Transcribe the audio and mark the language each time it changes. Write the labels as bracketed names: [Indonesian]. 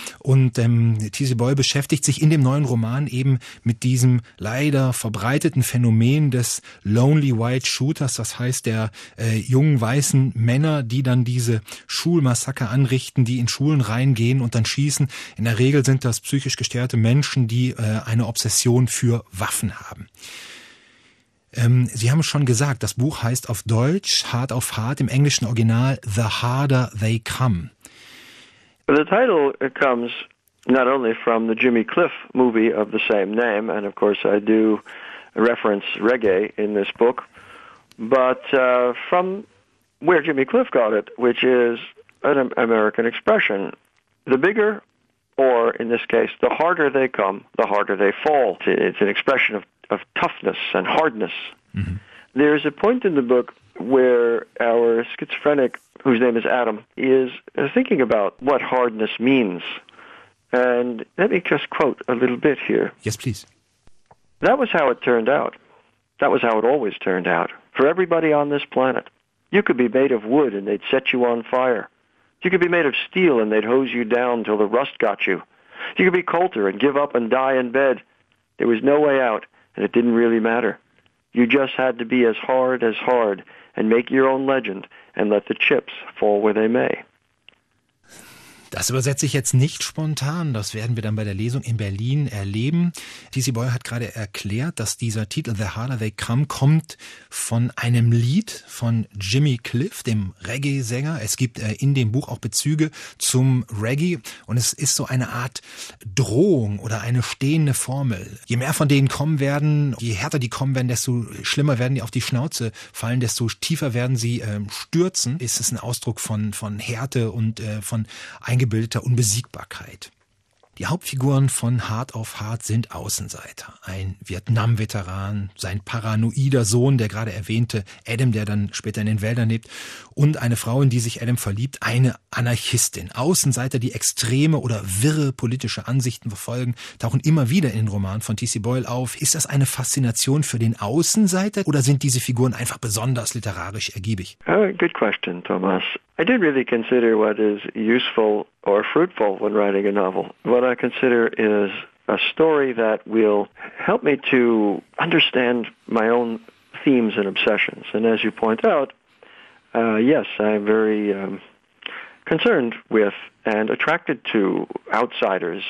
[German] Und T.C. Boyle beschäftigt sich in dem neuen Roman eben mit diesem leider verbreiteten Phänomen des Lonely White Shooters, das heißt der jungen weißen Männer, die dann diese Schulmassaker anrichten, die in Schulen reingehen und dann schießen. In der Regel sind das psychisch gestörte Menschen, die eine Obsession für Waffen haben. Sie haben schon gesagt, das Buch heißt auf Deutsch Hart auf Hart, im englischen Original The Harder They Come. [English] The title comes not only from the Jimmy Cliff movie of the same name, and of course I do reference reggae in this book, but from where Jimmy Cliff got it, which is an American expression. The bigger, or in this case, the harder they come, the harder they fall. It's an expression of toughness and hardness. There is a point in the book where our schizophrenic, whose name is Adam, is thinking about what hardness means. And let me just quote a little bit here. Yes, please. "That was how it turned out. That was how it always turned out. For everybody on this planet, you could be made of wood and they'd set you on fire. You could be made of steel and they'd hose you down till the rust got you. You could be Coulter and give up and die in bed. There was no way out. And it didn't really matter. You just had to be as hard, and make your own legend, and let the chips fall where they may." [German] Das übersetze ich jetzt nicht spontan. Das werden wir dann bei der Lesung in Berlin erleben. T.C. Boyle hat gerade erklärt, dass dieser Titel The Harder They Come kommt von einem Lied von Jimmy Cliff, dem Reggae-Sänger. Es gibt in dem Buch auch Bezüge zum Reggae. Und es ist so eine Art Drohung oder eine stehende Formel. Je mehr von denen kommen werden, je härter die kommen werden, desto schlimmer werden die auf die Schnauze fallen, desto tiefer werden sie stürzen. Ist es ein Ausdruck von Härte und von eingebildeter Unbesiegbarkeit. Die Hauptfiguren von Hard of Heart sind Außenseiter. Ein Vietnam-Veteran, sein paranoider Sohn, der gerade erwähnte Adam, der dann später in den Wäldern lebt, und eine Frau, in die sich Adam verliebt, eine Anarchistin. Außenseiter, die extreme oder wirre politische Ansichten verfolgen, tauchen immer wieder in den Romanen von T.C. Boyle auf. Ist das eine Faszination für den Außenseiter oder sind diese Figuren einfach besonders literarisch ergiebig? [English] Good question, Thomas. I did really consider what is useful or fruitful when writing a novel. What I consider is a story that will help me to understand my own themes and obsessions. And as you point out, yes, I'm very concerned with and attracted to outsiders.